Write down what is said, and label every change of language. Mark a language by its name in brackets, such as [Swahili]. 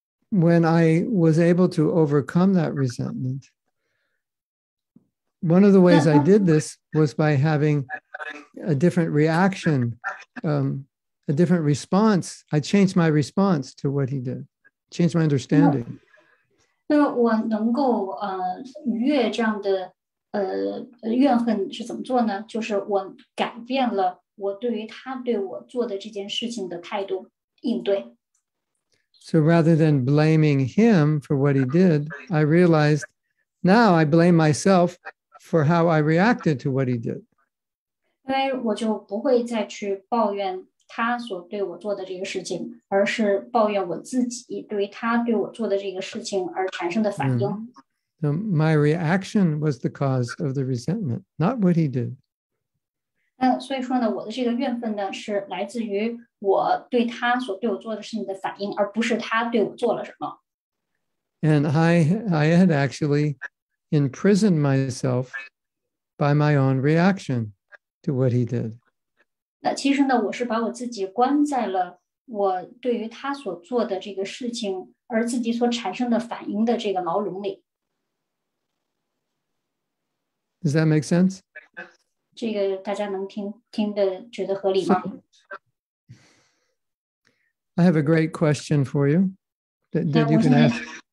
[English] when I was able to overcome that resentment, one of the ways I did this was by having a different reaction, a different response. I changed my response to what he did, changed my understanding. [Chinese] 那我能够逾越这样的怨恨是怎么做呢？就是我改变了我对于他对我做的这件事情的态度应对。 [English] So rather than blaming him for what he did, I realized now I blame myself for how I reacted to what he did. [Chinese] 因为我就不会再去抱怨他所对我做的这个事情，而是抱怨我自己对于他对我做的这个事情而产生的反应。 [English] Now, my reaction was the cause of the resentment, not what he did. [Chinese] 所以说呢,我的这个怨愤呢,是来自于我对他所对我做的事情的反应,而不是他对我做了什么。 [English] And I had actually imprisoned myself by my own reaction to what he did. [Chinese] 那其实呢,我是把我自己关在了我对于他所做的这个事情,而自己所产生的反应的这个牢笼里。 [English] Does that make sense? [Chinese] 这个大家能听得觉得合理吗? [English] I have a great question for you that you can ask.